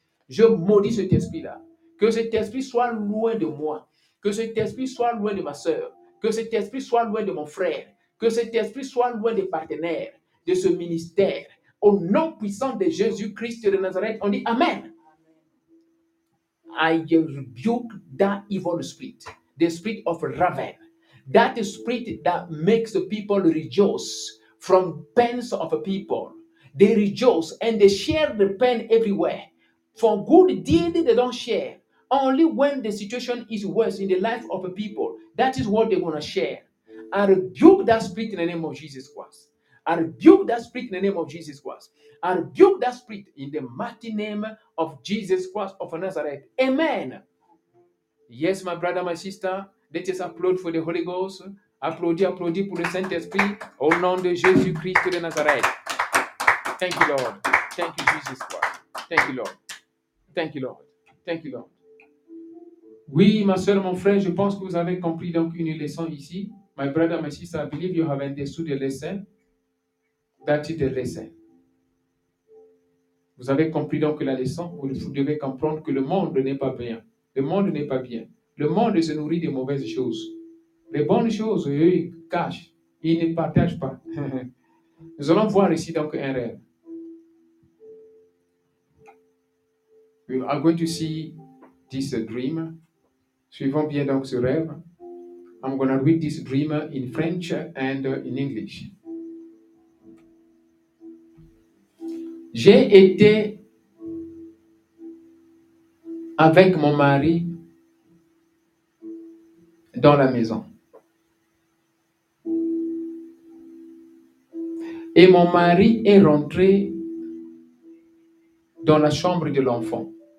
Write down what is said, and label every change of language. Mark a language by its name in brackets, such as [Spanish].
[French] Je maudis cet esprit-là. Que cet esprit soit loin de moi. Que cet esprit soit loin de ma sœur. Que cet esprit soit loin de mon frère. Que cet esprit soit loin des partenaires de ce ministère. Au nom puissant de Jésus-Christ de Nazareth, on dit Amen. [English] I rebuke that evil spirit, the spirit of raven, that spirit that makes people rejoice from pains of people. They rejoice and they share the pain everywhere. For good deed, they don't share. Only when the situation is worse in the life of people, that is what they're going to share. I rebuke that spirit in the name of Jesus Christ. I rebuke that spirit in the name of Jesus Christ. I rebuke that spirit in the mighty name of Jesus Christ of Nazareth. Amen. Yes, my brother, my sister, let us applaud for the Holy Ghost. [French] Applaudis, applaudis pour le Saint-Esprit au nom de Jésus-Christ de Nazareth. [English] Thank you, Lord. Thank you, Jesus Christ. Thank you, Lord. Thank you, Lord. Thank you, Lord. [French] Oui, ma soeur, mon frère, je pense que vous avez compris donc une leçon ici. [English] My brother, my sister, I believe you have understood the lesson. That is the lesson. [French] Vous avez compris donc la leçon. Vous devez comprendre que le monde n'est pas bien. Le monde n'est pas bien. Le monde se nourrit de mauvaises choses. Les bonnes choses, eux, ils cachent. Ils ne partagent pas. Nous allons voir ici donc un rêve. [English] We are going to see this dream. [French] Suivons bien donc ce rêve. [English] I'm going to read this dream in French and in English. [French] J'ai été avec mon mari dans la maison. Et mon mari est rentré dans la chambre de l'enfant.